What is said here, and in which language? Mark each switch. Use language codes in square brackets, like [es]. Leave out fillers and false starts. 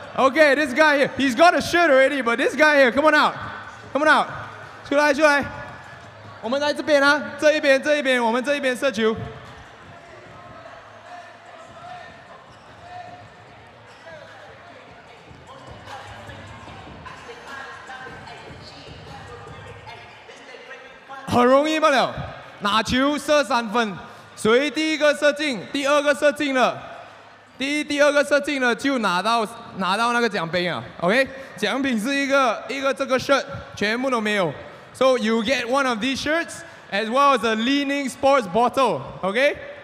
[en] Okay, this guy here, he's got a shirt already, but this guy here, come on out. Come on out. [zh] 出来，出来。我们来这边啊, 这一边, 这一边, 我们这一边射球。很容易罢了, 拿球射三分, 谁第一个射进, 第二个射进了。第二个射进了就拿到那个奖杯啊，OK？奖品是一个这个 shirt， 全部都没有。 [en] So you get one of these shirts as well as a leaning sports bottle， OK？